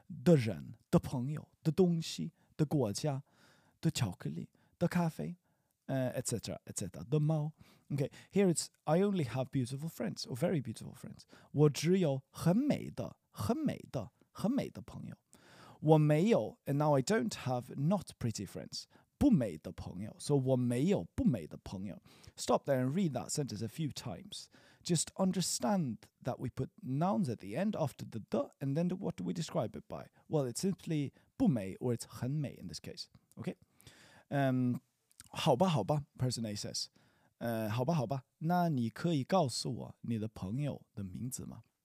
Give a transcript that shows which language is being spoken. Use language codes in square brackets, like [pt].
[zh] 的人, 的朋友, 的东西, 的国家, 的巧克力, 的咖啡, [en] etc., etc. [zh] 的猫. [en] Okay, here it's I only have beautiful friends, or very beautiful friends. [zh] 我只有很美的朋友. 我没有, [en] and now I don't have not pretty friends. [zh] 不美的朋友. So 我没有不美的朋友. [en] Stop there and read that sentence a few times. Just understand that we put nouns at the end after the 的, and then the, what do we describe it by? Well, it's simply 不美, or it's 很美 in this case. Okay? [zh] 好吧,好吧, [en] person A says. [zh] 好吧,好吧, 那你可以告诉我你的朋友的名字吗?